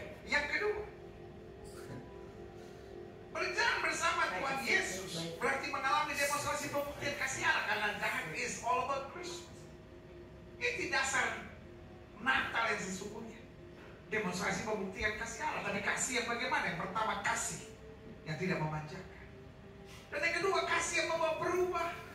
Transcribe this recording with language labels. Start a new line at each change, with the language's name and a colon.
Indonesian: Yang kedua, berjalan bersama Tuhan Yesus berarti mengalami demonstrasi pembuktian kasih Allah. Karena
English: that is all about Christmas.
Indonesian: Itu dasar Natal yang sesungguhnya. Demonstrasi pembuktian kasih Allah. Tapi kasih yang bagaimana? Yang pertama, kasih yang tidak memanjakan. Dan yang kedua, kasih yang membawa berubah.